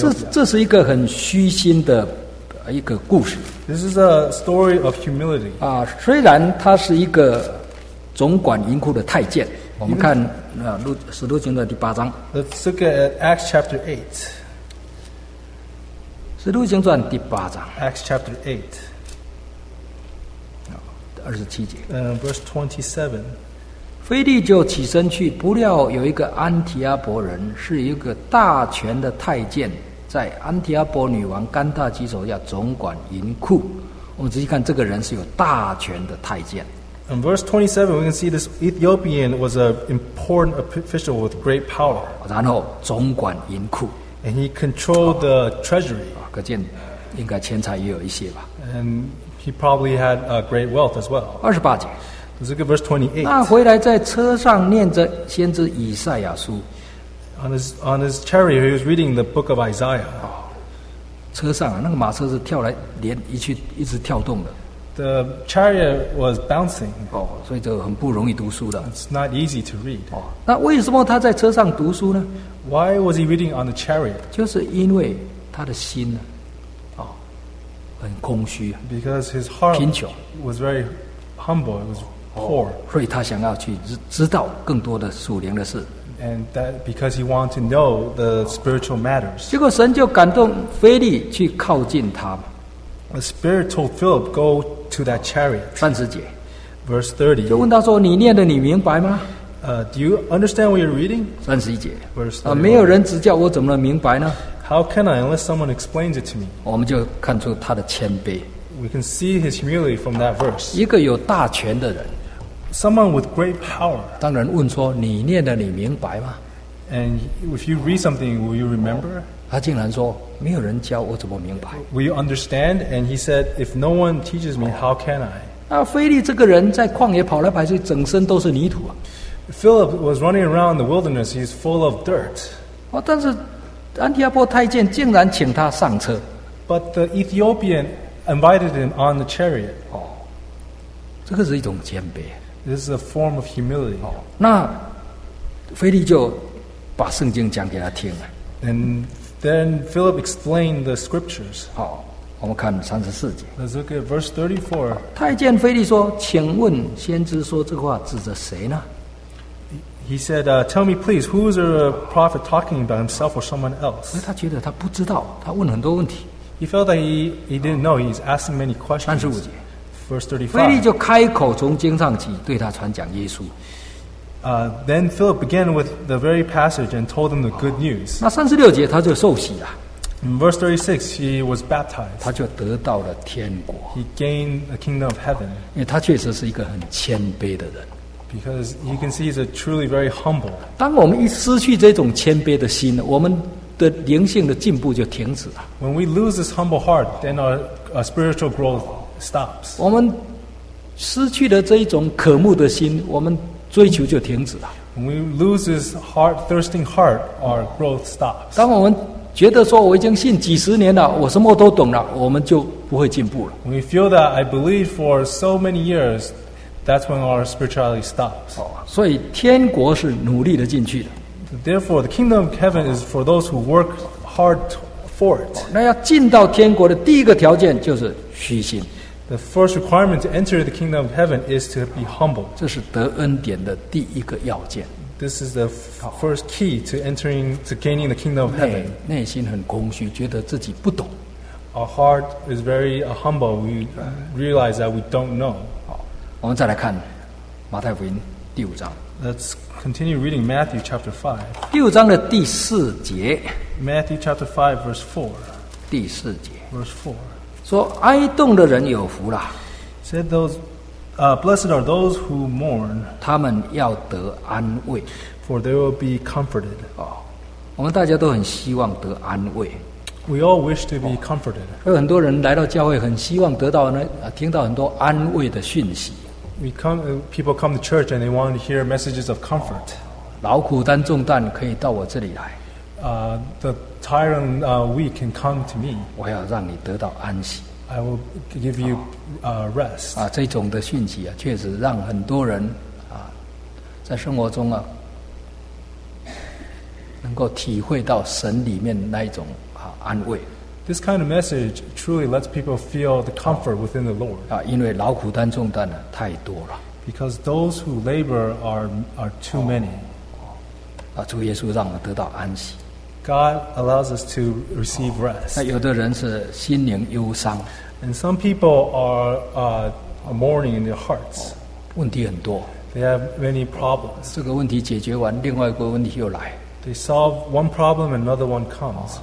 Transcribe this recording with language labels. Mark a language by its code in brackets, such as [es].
[zh] 这是一个很虚心的一个故事。 [en] This is a story of humility. [zh] 虽然他是一个总管银库的太监，我们看使徒行传第八章。 [en] Let's look at Acts chapter 8. [zh] 使徒行传第八章。 [en] Acts chapter 8. [zh] 27节。腓力就起身去，不料有一个安提阿伯人，是一个大权的太监，在安提阿波女王甘大基手下总管银库。我们仔细看，这个人是有大权的太监。 [en] In verse 27, we can see this Ethiopian was an important official with great power. [zh] 然后总管银库。 [en] And he controlled the treasury. [zh] 可见应该钱财也有一些吧。 [en] And he probably had a great wealth as well. [zh] 二十八节。 [en] Let's look at verse 28. [zh] 那回来在车上念着先知以赛亚书。 [en] On his chariot, he was reading the book of Isaiah. [zh] 车上啊，那个马车是跳来连一去一直跳动的。 [en] The chariot was bouncing. [zh] 所以就很不容易读书的。 [en] It's not easy to read. [zh] 那为什么他在车上读书呢 [en] ？Why was he reading on the chariot? [zh] 就是因为他的心呢，很空虚。 [en] Because his heart was very humble. It was poor. [zh] 所以他想要去知道更多的属灵的事。 [en] And that because he wanted to know the spiritual matters. [zh] 结果神就感动腓力去靠近他。 [en] The spirit told Philip go to that chariot. [zh] 三十节 [en] ，verse 30. [zh] 就问他说：“你念的你明白吗？” [en] Do you understand what you're reading? [zh] 三十一节 [en] ，verse 30. [zh] 没有人指教我怎么能明白呢 [en] ？How can I unless someone explains it to me? [zh] 我们就看出他的谦卑。 [en] We can see his humility from that verse. [zh] 一个有大权的人。 [en] Someone with great power. [zh] 当然问说你念的你明白吗 [en] ？And if you read something, will you remember? [zh] 他竟然说没有人教我怎么明白。 [en] Will you understand? And he said, if no one teaches me, how can I? [zh] 那腓力这个人在旷野跑来跑去，整身都是泥土啊。 [en] Philip was running around the wilderness. He's full of dirt. [zh] 但是安提阿波太监竟然请他上车。 [en] But the Ethiopian invited him on the chariot. [zh] 这个是一种谦卑。 [en] This is a form of humility. [zh] 那腓力就把圣经讲给他听了。 [en] And then Philip explained the scriptures. [zh] 我们看三十四节。 [en] Let's look at verse 34. [zh] 太监腓力说：“请问先知说这话指着谁呢 [en] ？”He said, "Tell me, please, who is the prophet talking about himself or someone else?" [zh] 他觉得他不知道，他问很多问题。 [en] He felt that he didn't know. He's asking many questions. [zh] 三十五节。 [en] Verse 35. [zh] 腓力就开口从经上起对他传讲耶稣。 [en] Then Philip began with the very passage and told them the good news. [zh] 那三十六节他就受洗了。 [en] In verse 36, he was baptized. [zh] 他就得到了天国。 [en] He gained the kingdom of heaven. [zh] 因为他确实是一个很谦卑的人。 [en] Because you can see he's a truly very humble. [zh] 当我们一失去这种谦卑的心，我们的灵性的进步就停止了。 [en] When we lose this humble heart, then our spiritual growth stops. [zh] 我们失去了这一种渴慕的心，我们追求就停止了。 [en] When we lose this heart, thirsting heart, our growth stops. [zh] 当我们觉得说我已经信几十年了，我什么都懂了，我们就不会进步了。 [en] When we feel that I believe for so many years, that's when our spirituality stops. [zh] 所以天国是努力的进去的。 [en] Therefore, the kingdom of heaven is for those who work hard for it. [zh] 那要进到天国的第一个条件就是虚心。 [en] The first requirement to enter the kingdom of heaven is to be humble. [zh] 这是得恩典的第一个要件。 [en] This is the first key to entering, to gaining the kingdom of heaven. [zh] 内心很空虚，觉得自己不懂。 [en] Our heart is very humble. We realize that we don't know. [zh] 我们再来看马太福音第五章。 [en] Let's continue reading Matthew chapter 5. [zh] 第五章的第四节。 [en] Matthew chapter 5 verse 4. [zh] 第四节。 [en] Verse 4. [zh] 说哀恸的人有福了。 [en] Said those, blessed are those who mourn. [zh] 他们要得安慰。 [en] For they will be comforted. [zh] 我们大家都很希望得安慰。 [en] We all wish to be comforted. [zh] 有很多人来到教会，很希望得到呢，听到很多安慰的讯息。 [en] We come, people come to church and they want to hear messages of comfort. [zh] 劳苦担重担可以到我这里来。 [en] The tired and weak can come to me. [zh] 我要让你得到安息。 [en] I will give you rest. [zh] 这种的讯息啊，确实让很多人啊，在生活中啊，能够体会到神里面那一种安慰。 [en] This kind of message truly lets people feel the comfort within the Lord. [zh] 因为劳苦担重担呢太多了。 [en] Because those who labor are too many. [zh] 主耶稣让我们得到安息。 [en] God allows us to receive rest. [zh] 有的人是心灵忧伤。 [en] And some people are mourning in their hearts. [zh] 问题很多。 [en] They have many problems. [zh] 这个问题解决完，另外一个问题又来。 [en] They solve one problem, another one comes.